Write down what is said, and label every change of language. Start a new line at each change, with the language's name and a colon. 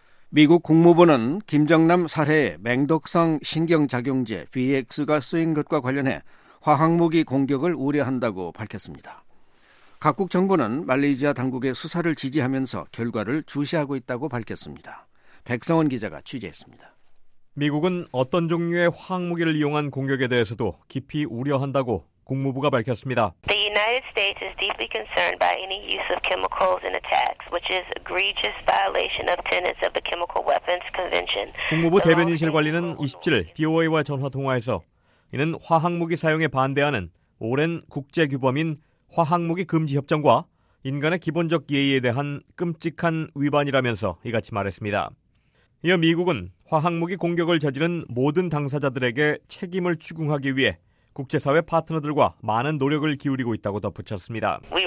Korean: 미국 국무부는 김정남 살해의 맹독성 신경작용제 BX가 쓰인 것과 관련해 화학무기 공격을 우려한다고 밝혔습니다. 각국 정부는 말레이시아 당국의 수사를 지지하면서 결과를 주시하고 있다고 밝혔습니다. 백성원 기자가 취재했습니다. 미국은 어떤 종류의 화학무기를 이용한 공격에 대해서도 깊이 우려한다고 국무부가 밝혔습니다.
English: The United States is deeply concerned by any use of chemicals in attacks, which is egregious violation of tenets of the Chemical Weapons Convention.
Korean: 국무부 대변인실 관리는 27일 BOA와 전화 통화에서 이는 화학무기 사용에 반대하는 오랜 국제 규범인 화학무기 금지 협정과 인간의 기본적 예의에 대한 끔찍한 위반이라면서 이같이 말했습니다. 이어 미국은 화학무기 공격을 저지른 모든 당사자들에게 책임을 추궁하기 위해 국제사회 파트너들과 많은 노력을 기울이고 있다고 덧붙였습니다.